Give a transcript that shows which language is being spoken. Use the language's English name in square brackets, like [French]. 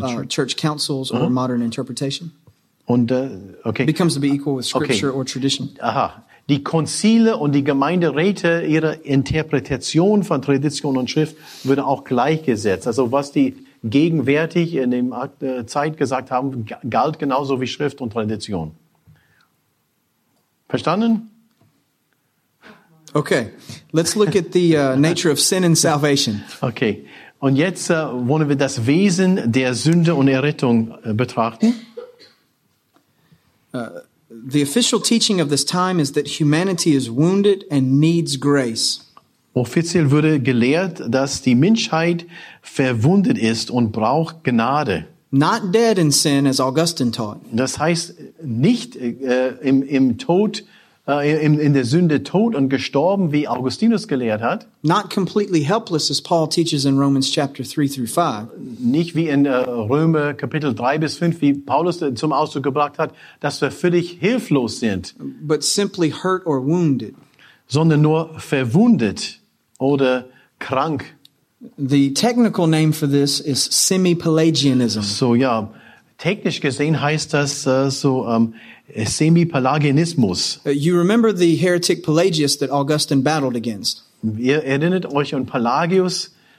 [English] church councils or modern interpretation? [German] Und okay. [English] Becomes to be equal with scripture or tradition. Aha. [German] Die Konzile und die Gemeinderäte ihre Interpretation von Tradition und Schrift würde auch gleichgesetzt. Also was die gegenwärtig in dem Zeit gesagt haben, galt genauso wie Schrift und Tradition. Verstanden? [English] Okay. Let's look at the nature of sin and salvation. Okay. [German] Und jetzt wollen wir das Wesen der Sünde und Errettung betrachten. [English] The official teaching of this time is that humanity is wounded and needs grace. [German] Offiziell wurde gelehrt, dass die Menschheit verwundet ist und braucht Gnade. [English] Not dead in sin, as Augustine taught. [German] Das heißt, nicht im Tod, in der Sünde tot und gestorben, wie Augustinus gelehrt hat. [English] Not completely helpless, as Paul teaches in Romans chapter 3 through 5. [German] Nicht wie in Römer Kapitel 3 bis 5, wie Paulus zum Ausdruck gebracht hat, dass wir völlig hilflos sind. [English] But simply hurt or wounded. [German] Sondern nur verwundet oder krank. [English] The technical name for this is semi-Pelagianism. [German] So, ja. Technisch gesehen heißt das Semi-Pelagianismus. [English] You remember the heretic Pelagius that Augustine battled against. [German] Ihr erinnert euch an Pelagius,